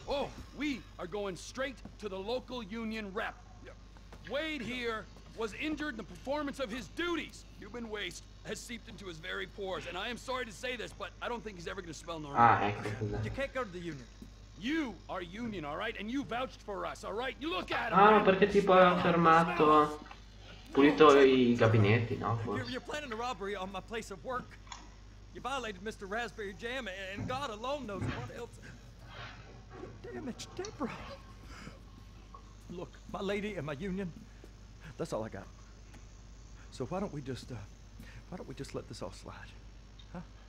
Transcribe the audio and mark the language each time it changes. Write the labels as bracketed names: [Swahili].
[English] Oh, we are going straight to the local union rep. Wade here was injured in the performance of his duties. Human waste has seeped into his very pores, and I am sorry to say this, but I don't think he's ever going to smell normal. You can't go to the union. You are union, all right, and you vouched for us, all right. You look at him. [Italian] Ah, no, perché tipo ha fermato, pulito i gabinetti, no? Forse. [English] You're planning a robbery on my place of work. You violated Mr. Raspberry Jam, and God alone knows what else. Damn it, Deborah. Look, my lady and my union. That's all I got. So why don't we just, why don't we just let this all slide, huh?